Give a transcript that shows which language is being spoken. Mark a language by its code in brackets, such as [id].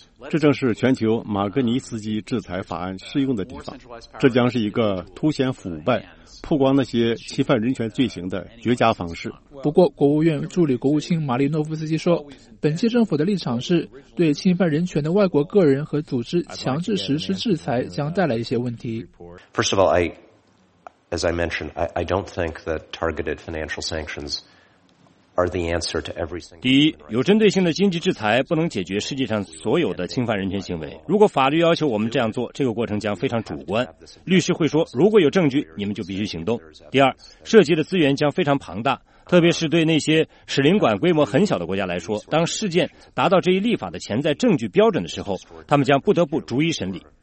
[zh] 这正是全球马格尼斯基制裁法案适用的地方，这将是一个凸显腐败、曝光那些侵犯人权罪行的绝佳方式。不过国务院助理国务卿马利诺夫斯基说，本届政府的立场是对侵犯人权的外国个人和组织强制实施制裁将带来一些问题。 [en] First of all, as I mentioned, I don't think that targeted financial sanctionsThe answer to every single... [zh] 第一，有针对性的经济制裁不能解决世界上所有的侵犯人权行为。如果法律要求我们这样做，这个过程将非常主观。律师会说，如果有证据，你们就必须行动。第二，涉及的资源将非常庞大，特别是对那些使领馆规模很小的国家来说，当事件达到这一立法的潜在证据标准的时候，他们将不得不逐一审理。